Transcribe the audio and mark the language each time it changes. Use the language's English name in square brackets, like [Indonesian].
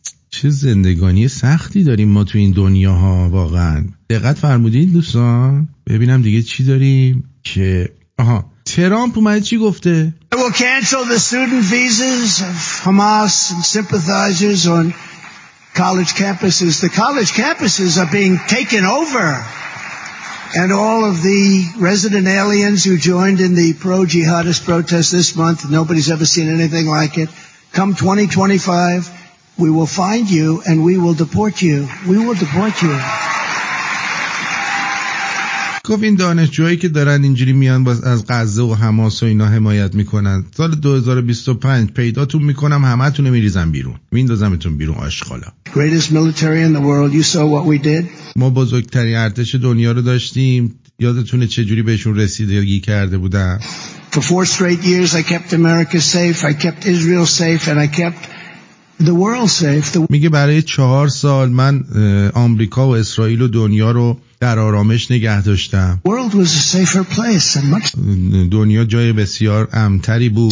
[Persian] چه زندگانی سختی داریم ما تو این دنیا ها واقعا. دقت فرمودین دوستان، ببینم دیگه چی داریم که ترامپ اومده چی گفته. [English] I will cancel the student visas of Hamas and sympathizers on college campuses. The college campuses are being taken over, and all of the resident aliens who joined in the pro-jihadist protest this month, nobody's ever seen anything like it. Come 2025, we will find you and we will deport you. We will deport you. [Persian] گفت این دانشجوهایی که دارن اینجوری میان از غزه و حماس و اینا حمایت میکنن، سال 2025 پیداتون میکنم همه تونه میریزم بیرون، میندازمتون بیرون آشغالا. [English] greatest military in the world. You saw what we did. [Persian] ما بزرگترین ارتش دنیا رو داشتیم. یادتونه چه جوری بهشون رسیدگی کرده بودم؟ [English] For 4 straight years I kept America safe, I kept Israel safe and I kept the world safe. [Persian] میگه برای 4 سال من آمریکا و اسرائیل و دنیا رو در آرامش نگه داشتم. [English] World was a safer place and much [Persian] دنیا جای بسیار امن‌تری بود.